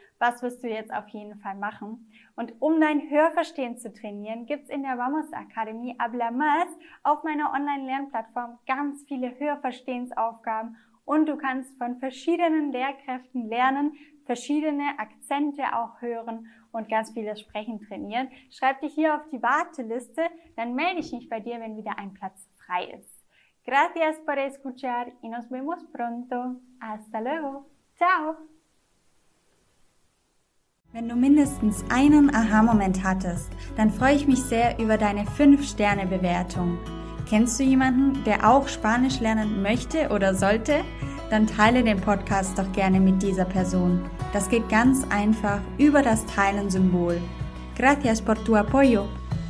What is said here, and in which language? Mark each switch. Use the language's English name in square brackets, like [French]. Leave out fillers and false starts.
[German] Was wirst du jetzt auf jeden Fall machen? Und um dein Hörverstehen zu trainieren, gibt es in der Vamos Academy Habla Más auf meiner Online-Lernplattform ganz viele Hörverstehensaufgaben und du kannst von verschiedenen Lehrkräften lernen, verschiedene Akzente auch hören und ganz vieles Sprechen trainieren. Schreib dich hier auf die Warteliste, dann melde ich mich bei dir, wenn wieder ein Platz frei ist. [Spanish] Gracias por escuchar y nos vemos pronto. Hasta luego. Ciao. [German] Wenn du mindestens einen Aha-Moment hattest, dann freue ich mich sehr über deine 5-Sterne-Bewertung. Kennst du jemanden, der auch Spanisch lernen möchte oder sollte? Dann teile den Podcast doch gerne mit dieser Person. Das geht ganz einfach über das Teilen-Symbol. [Spanish] Gracias por tu apoyo.